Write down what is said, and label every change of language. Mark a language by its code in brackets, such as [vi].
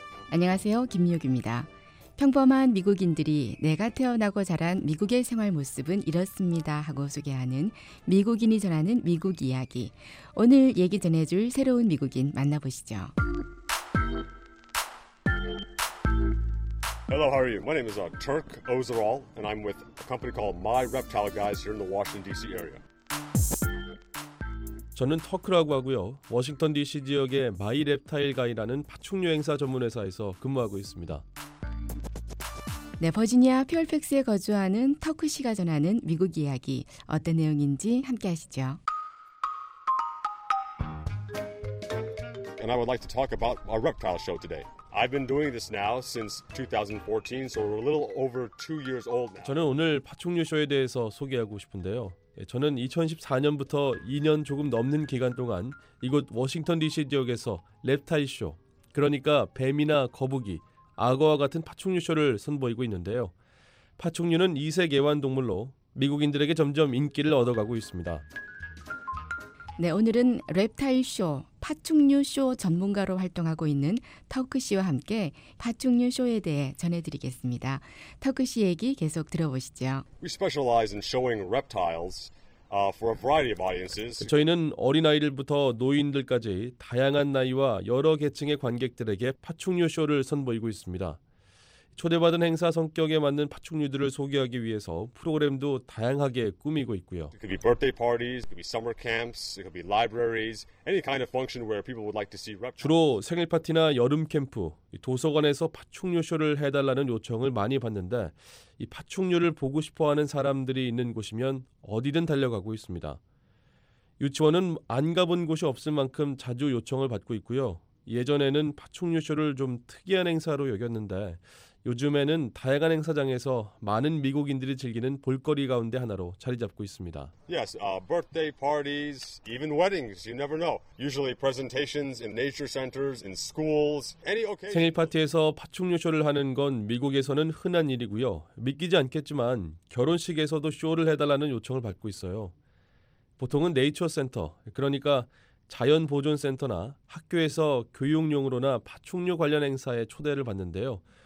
[ko] 안녕하세요. 김유기입니다. 평범한 미국인들이 내가 태어나고 자란 미국의 생활 모습은 이렇습니다 하고 소개하는 미국인이 전하는 미국 이야기. 오늘 얘기 전해줄 새로운 미국인 만나보시죠. [en] Hello, how are you? My name is Turk Özeral, and I'm with a company called My Reptile Guys here in the Washington, D.C. area. [ko] 저는 터크라고 하고요. 워싱턴 D.C. 지역의 마이 랩타일 가이라는 파충류 행사 전문 회사에서 근무하고 있습니다. 네, 버지니아 피얼팩스에 거주하는 터크 씨가 전하는 미국 이야기 어떤 내용인지 함께 하시죠. [en] And I would like to talk about our reptile show today. I've been doing this now since 2014, so we're a little over 2 years old now. [ko] 저는 오늘 파충류 쇼에 대해서 소개하고 싶은데요. 저는 2014년부터 2년 조금 넘는 기간 동안 이곳 워싱턴 DC 지역에서 랩타일 쇼, 그러니까 뱀이나 거북이, 악어와 같은 파충류 쇼를 선보이고 있는데요. 파충류는 이색 애완동물로 미국인들에게 점점 인기를 얻어가고 있습니다. 네, 오늘은 랩타일 쇼, 파충류 쇼 전문가로 활동하고 있는 터크 씨와 함께 파충류 쇼에 대해 전해드리겠습니다. 터크 씨 얘기 계속 들어보시죠. [en] We specialize in showing reptiles for a variety of audiences. [ko] 저희는 어린아이들부터 노인들까지 다양한 나이와 여러 계층의 관객들에게 파충류 쇼를 선보이고 있습니다. 초대받은 행사 성격에 맞는 파충류들을 소개하기 위해서 프로그램도 다양하게 꾸미고 있고요. [en] It could be birthday parties, it could be summer camps, it could be libraries, any kind of function where people would like to see reptiles. [ko] 주로 생일 파티나 여름 캠프, 도서관에서 파충류 쇼를 해달라는 요청을 많이 받는데 이 파충류를 보고 싶어하는 사람들이 있는 곳이면 어디든 달려가고 있습니다. 유치원은 안 가본 곳이 없을 만큼 자주 요청을 받고 있고요. 예전에는 파충류 쇼를 좀 특이한 행사로 여겼는데 요즘에는 다양한 행사장에서 많은 미국인들이 즐기는 볼거리 가운데 하나로 자리 잡고 있습니다. [en] Yes, birthday parties, even weddings, you never know. Usually presentations in nature centers, in schools, any occasion. [ko] 생일 파티에서 파충류 쇼를 하는 건 미국에서는 흔한 일이고요. 믿기지 않겠지만 결혼식에서도 쇼를 해달라는 요청을 받고 있어요. 보통은 네이처 센터, 그러니까 자연보존센터나 학교에서 교육용으로나 파충류 관련 행사에 초대를 받는데요.